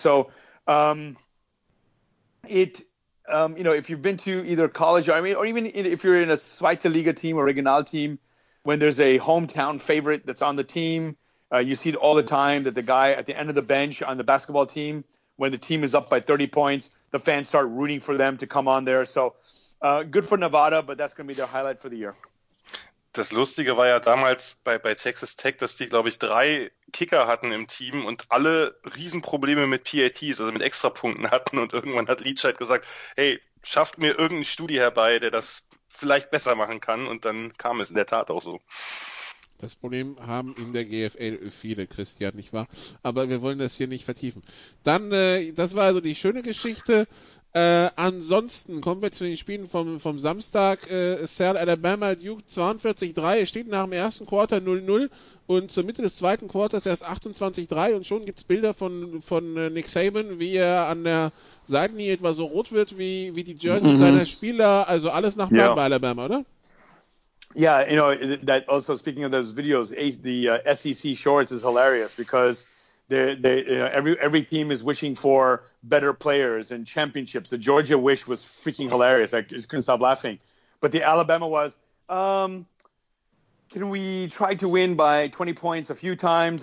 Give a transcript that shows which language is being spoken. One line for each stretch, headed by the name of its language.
English: So, if you've been to either college, or even if you're in a Zweite Liga team or Regional team, when there's a hometown favorite that's on the team, you see it all the time that the guy at the end of the bench on the basketball team, when the team is up by 30 points, the fans start rooting for them to come on there. So good for Nevada, but that's going to be their highlight for the year.
German: Das Lustige war ja damals bei Texas Tech, dass die, glaube ich, 3 Kicker hatten im Team und alle Riesenprobleme mit PATs, also mit Extrapunkten hatten. Und irgendwann hat Leach halt gesagt, hey, schafft mir irgendeinen Studi herbei, der das vielleicht besser machen kann, und dann kam es in der Tat auch so. Das Problem haben in der GFL viele, Christian, nicht wahr? Aber wir wollen das hier nicht vertiefen. Dann, das war also die schöne Geschichte. Ansonsten kommen wir zu den Spielen vom Samstag. South Alabama Duke 42-3. Es steht nach dem ersten Quarter 0-0 und zur Mitte des zweiten Quarters erst 28-3 und schon gibt es Bilder von Nick Saban, wie er an der Seitenlinie etwa so rot wird, wie die Jerseys seiner Spieler. Also alles nach Plan bei Alabama, oder?
English: Yeah, you know, that also speaking of those videos, the SEC shorts is hilarious because they you know, every team is wishing for better players and championships. The Georgia wish was freaking hilarious. I just couldn't stop laughing. But the Alabama was, can we try to win by 20 points a few times?